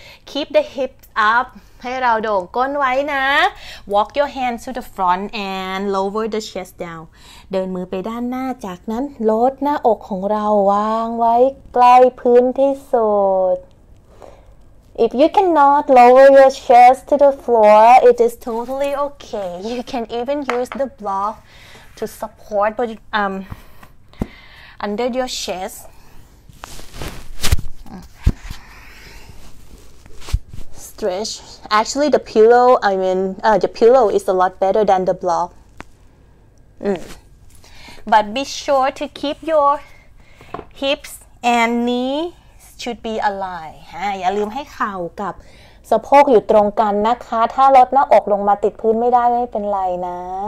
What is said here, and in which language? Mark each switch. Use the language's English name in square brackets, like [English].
[English] Keep the hips up [Thai] ให้เราโด่งก้นไว้นะ [English] Walk your hands to the front and lower the chest down [Thai] เดินมือไปด้านหน้าจากนั้นลดหน้าอกของเราวางไว้ใกล้พื้นที่สุด [English] If you cannot lower your chest to the floor, it is totally okay. You can even use the block to support under your chest. Stretch. Actually, the pillow is a lot better than the block. But be sure to keep your hips and kneesshould be aligned [Thai] ฮะอย่าลืมให้เข่ากับสะโพกอยู่ตรงกันนะคะถ้าลดหน้าอกลงมาติดพื้นไม่ได้ไม่เป็นไรนะ